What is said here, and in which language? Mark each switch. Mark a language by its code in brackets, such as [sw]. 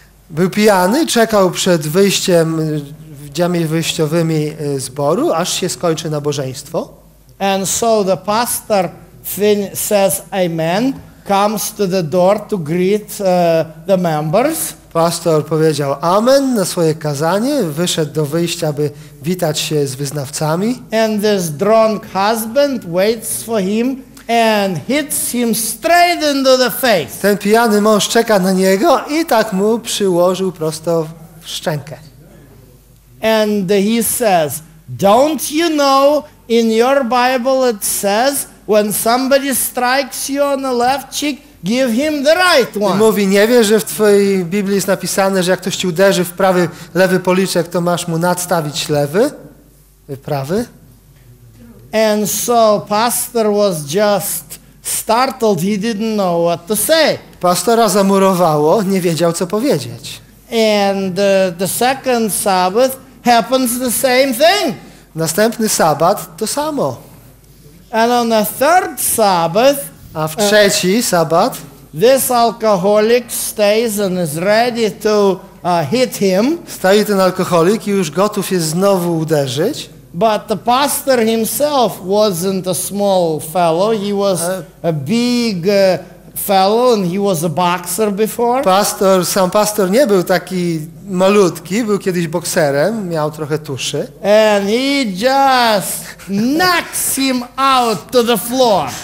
[pl] Był pijany, czekał przed wyjściem, drzwiami wyjściowymi zboru, aż się skończy nabożeństwo. [en] And so the pastor says amen, comes to the door to greet the members. [pl] Pastor powiedział amen na swoje kazanie, wyszedł do wyjścia, by witać się z wyznawcami. [en] And this drunk husband waits for him and hits him straight into the face. [pl] Ten pijany mąż czeka na niego i tak mu przyłożył prosto w szczękę. [en] And he says, don't you know in your Bible it says when somebody strikes you on the left cheek, give him the right one. [pl] I mówi, nie wiesz, że w twojej Biblii jest napisane, że jak ktoś ci uderzy w prawy, lewy policzek, to masz mu nadstawić lewy, prawy? [en] And so pastor was just Startled, he didn't know what to say. [pl] Pastora zamurowało, nie wiedział co powiedzieć. [en] And the second Sabbath happens the same thing. [pl] Następny sabat to samo. [en] And on the third Sabbath, [pl] a w trzeci sabat, [en] this alcoholic stays and is ready to hit him. [pl] Stoi ten alkoholik i już gotów jest znowu uderzyć. [en] But the pastor himself wasn't a small fellow. He was a big fellow, and he was a boxer before. [pl] Pastor, sam pastor nie był taki malutki. Był kiedyś bokserem, miał trochę tuszy. [en] And he just knocks him out to the floor.